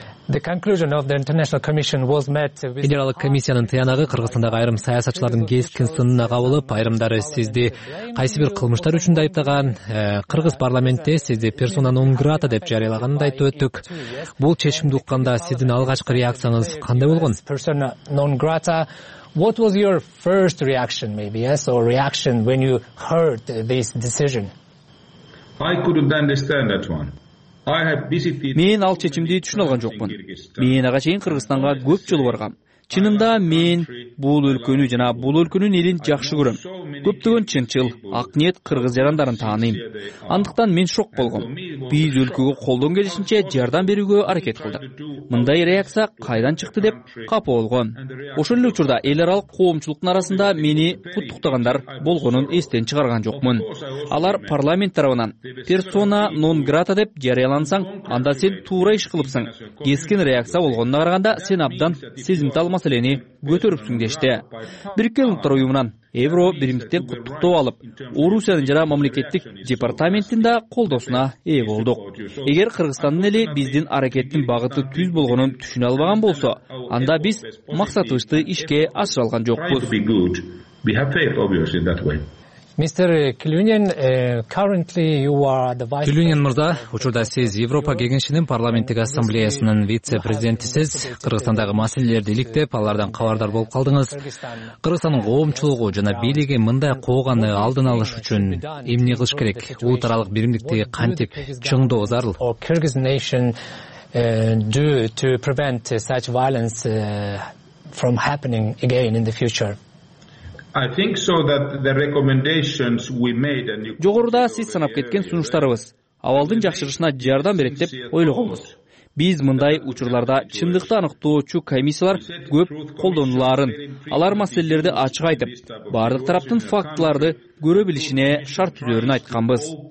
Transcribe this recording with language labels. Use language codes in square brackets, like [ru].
[en] The conclusion of the International Commission was met with [ky] Федералдык комиссиянын тыянагы Кыргызстандагы айрым саясатчылардын кескин сынына кабылып, айрымдары сизди кайсы бир кылмыштар үчүн айыптаган, Кыргыз парламенти сизди персона нон грата деп жарыялаганын айтып өттүк. Бул чечимди укканда сиздин алгачкы реакцияңыз кандай болгон? [en] Persona non grata. What was your first reaction maybe, yes, or reaction when you heard this decision? I couldn't understand that one. [ky] Мен ал чечимди түшүнө алган жокмун. Мен ага чейин Кыргызстанга көп жолу баргам. Чынында мен бул өлкөнү жана бул өлкөнүн элин жакшы көрөм. Көптөгөн чынчыл, ак ниет кыргыз жарандарын тааныйм. Андыктан мен шок болгом. Биз өлкөгө колдон келишинче жардам берүүгө аракет кылдык. Мындай реакция кайдан чыкты деп капа болгон. Ошол эле учурда эл аралык коомчулуктун арасында мени куттуктагандар болгонун эстен чыгарган жокмун. Алар парламент тарабынан персона нон грата деп жарыялансаң, анда сен туура иш кылыпсың. Кескин реакция болгонуна караганда сен абдан сезимтал маселени көтөрүпсүң дешти. Бириккен Улуттар Уюмунан Евро биримдиктен куттуктоо алып, Орусиянын жана мамлекеттик департаментин да колдоосуна ээ болдук. Эгер Кыргызстандын эли биздин аракеттин багыты түз болгонун түшүнө албаган болсо, анда биз максатыбызды ишке ашыра алган жокпуз. [en] Mr. Kilunian, currently you are the vice [ky] Kilunian мырза, учурда сиз Европа кеңешинин парламенттик ассамблеясынын вице-президентисиз. Кыргызстандагы маселелерди иликтеп, алардан кабардар болуп калдыңыз. Кыргызстандын коомчулугу жана бийлиги мындай кооганы алдын алыш үчүн эмне кылыш керек? Улут аралык биримдикти кантип чыңдоо зарыл? [en] Kyrgyz nation do to prevent such violence from happening again in the future? I think so that the recommendations we made and [ky] жогоруда сиз санап кеткен сунуштарыбыз абалдын жакшырышына жардам берет деп ойлогонбуз. Биз мындай учурларда чындыкты аныктоочу комиссиялар көп колдонуларын, алар маселелерди ачык айтып, бардык тараптын фактыларды көрө билишине шарт түзөрүн айтканбыз.